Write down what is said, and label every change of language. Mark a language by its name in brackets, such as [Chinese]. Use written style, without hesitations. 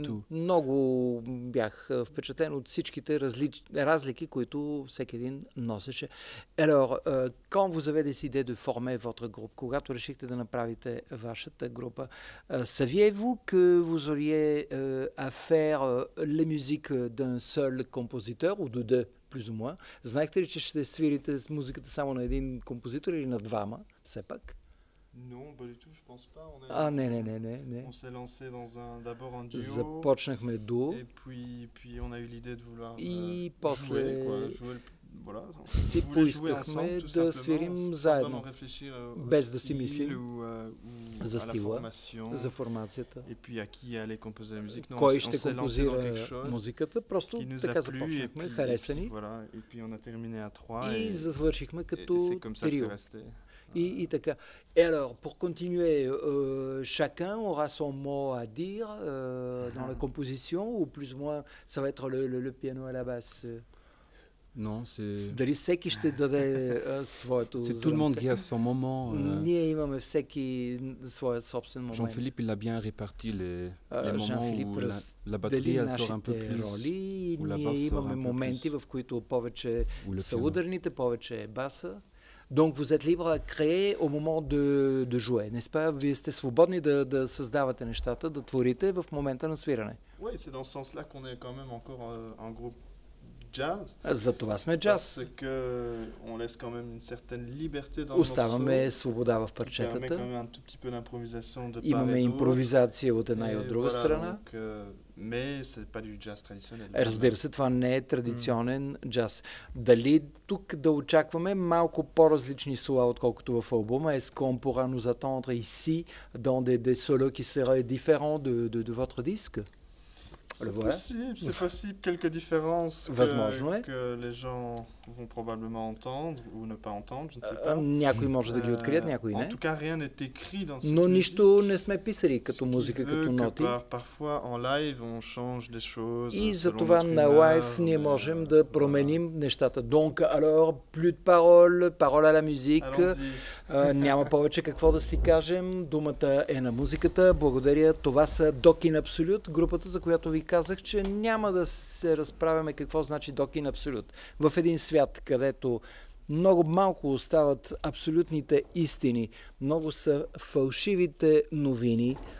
[Bulgarian] Много бях впечатлен от всичките разлики, които всеки един носеше. [French] Alors, quand vous avez décidé de former votre groupe, [Bulgarian] когато решихте да направите вашата група, [French] saviez-vous que vous auriez à faire les musiques d'un seul compositeur ou de deux, plus ou moins? [Bulgarian] Знаехте ли, че ще свирите музиката само на един композитор или на двама, все пак? [French] Non, pas du tout, je pense pas. On s'est lancé dans d'abord un duo. [Bulgarian] Започнахме дуо. [French] Et puis on a eu l'idée de vouloir jouer, voilà. [Bulgarian] Си поискахме да свирим заедно. Без да си мислим за стила, за формацията. [French] Et puis à qui allait composer la musique? [Bulgarian] Кой ще композира музиката? Просто така започнахме, хареса ни. [French] Et puis on a terminé à trois. [Bulgarian] И завършихме като трио. И така. [French] Et alors, pour continuer, chacun aura son mot à dire dans la composition, ou plus ou moins, ça va être le piano à la basse? Non, c'est... [Bulgarian] Дали всеки ще даде своето... [French] C'est tout le monde qui a son moment. [Bulgarian] Ние имаме всеки своя собствен момент. [French] Jean-Philippe, il a bien réparti les moments où la batterie, elle sort un peu plus. [Bulgarian] Роли, ние имаме моменти, в които повече са ударните, повече е баса. [French] Donc vous êtes libre à créer au moment de jouer, n'est-ce pas? Vous êtes [Bulgarian] свободни да създавате нещата, да творите в момента на свиране. [French] Oui, c'est dans ce sens-là qu'on est quand même encore un groupe jazz. [Bulgarian] За това сме джаз. [French] Parce que on laisse quand même une certaine liberté dans [Bulgarian] оставаме свобода в парчетата. Имаме [French] un tout petit peu d'improvisation de [Bulgarian] имаме импровизация от една и от друга страна. [French] Mais c'est pas du jazz traditionnel. [Bulgarian] Разбира се, това не е традиционен джаз. Дали тук да очакваме малко по-различни сола, отколкото в албума? [French] Est-ce qu'on pourra nous attendre ici dans des solos qui seraient différents de votre disque? C'est possible, quelques différences que les gens vont probablement entendre ou ne pas entendre, je ne sais pas. [Bulgarian] Някой може да ги открият, някой не. [French] En tout cas, rien n'est écrit dans [Bulgarian] cette нищо не сме писали като музика, като ноти. [French] Parfois en live on change des choses. [Bulgarian] И затова на лайв ние можем да променим нещата. [French] Donc alors plus de parole à la musique. [Bulgarian] Няма повече какво да си кажем. Думата е на музиката. Благодаря. Това са Doc in Absolute, групата, за която ви казах, че няма да се разправяме какво значи Doc in Absolute. В един свят, където много малко остават абсолютните истини, много са фалшивите новини.